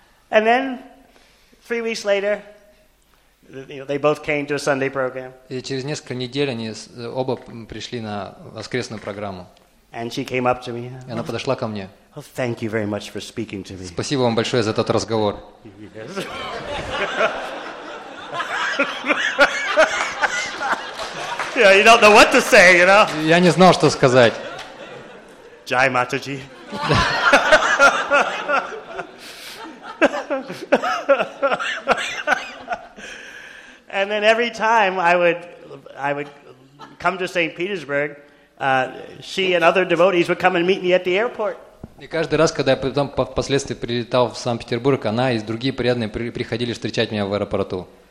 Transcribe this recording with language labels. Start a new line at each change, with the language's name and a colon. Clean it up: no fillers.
English: And then 3 weeks later, they both came to a Sunday program.
Russian: И через несколько недель они оба пришли на воскресную программу.
English: And she came up to me.
Russian: Она подошла ко мне.
English: Oh, thank you very much for speaking to me.
Russian: Спасибо вам большое за этот разговор.
English: Yes. Yeah, you don't know what to say, you know.
Russian: Я не знал, что сказать.
Hindi: Jai Mataji.
English: And then every time I would come to St. Petersburg, she and other devotees would come and meet me at the airport.
Russian: И каждый раз, когда я потом впоследствии прилетал в Санкт-Петербург, она и другие преданные приходили встречать меня в аэропорту.